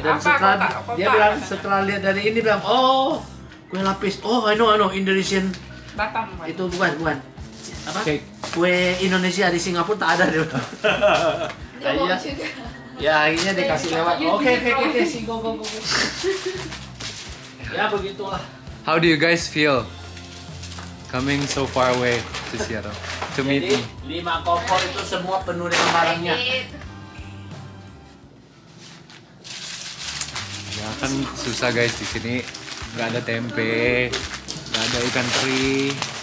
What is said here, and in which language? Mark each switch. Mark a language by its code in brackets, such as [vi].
[id] Dan apa, setelah kota, kota, dia bilang katanya. Setelah lihat dari ini bilang, oh, kue lapis. [en] Oh, I know, Indonesian. [id] Batam. Itu bukan. Apa? Okay. Kue Indonesia di Singapura tak ada deh. Iya. Ya akhirnya dikasih lewat. Oke. Go. Ya begitulah. [en] How do you guys feel coming so far away to Seattle? [id] Jadi, 5 koper itu semua penuh dengan barangnya. Ya kan susah guys di sini. Enggak ada tempe, enggak ada ikan teri.